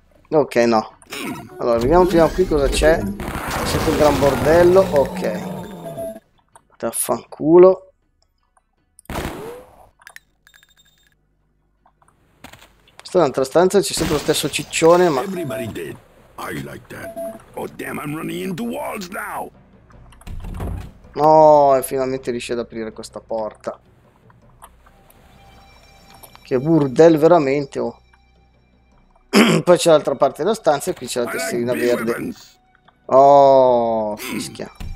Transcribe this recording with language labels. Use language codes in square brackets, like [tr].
[it] Ok, no. Allora, vediamo prima qui cosa c'è. Sotto il gran bordello, ok. Taffanculo. Questa è un'altra stanza, c'è sempre lo stesso ciccione, ma... [en] Everybody did. I like that. Oh, damn, I'm running into walls now. [it] No, e finalmente riesce ad aprire questa porta. Che burdel, veramente, oh. Poi c'è l'altra parte della stanza e qui c'è la tesserina verde. [en] Like [it] Oh, fischia.